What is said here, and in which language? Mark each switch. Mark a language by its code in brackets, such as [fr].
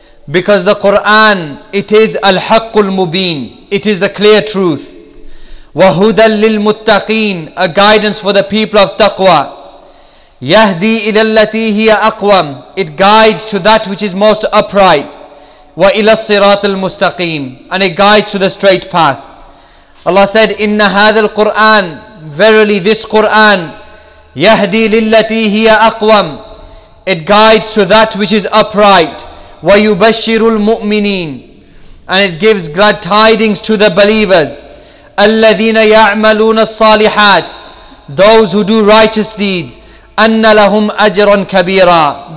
[en] Because the Quran, it is al-haqqul mubin, it is the clear truth. [ar] وَهُدَى لِلْمُتَّقِينَ. [en] A guidance for the people of taqwa. [ar] يَهْدِي إِلَى الَّتِي هِيَ أَقْوَمَ. [en] It guides to that which is most upright. [ar] وَإِلَى الصِّرَاطِ الْمُسْتَقِيمِ. [en] And it guides to the straight path. Allah said, [ar] إِنَّ هَذَا الْقُرْآنَ. [en] Verily this Quran, [ar] يَهْدِي لِلَّتِي هِيَ أَقْوَمْ. [en] It guides to that which is upright. [ar] وَيُبَشِّرُ الْمُؤْمِنِينَ. [en] And it gives glad tidings to the believers. [ar] الَّذِينَ يَعْمَلُونَ الصَّالِحَاتِ. [en] Those who do righteous deeds. [ar] أَنَّ لَهُمْ أَجْرًا كَبِيرًا.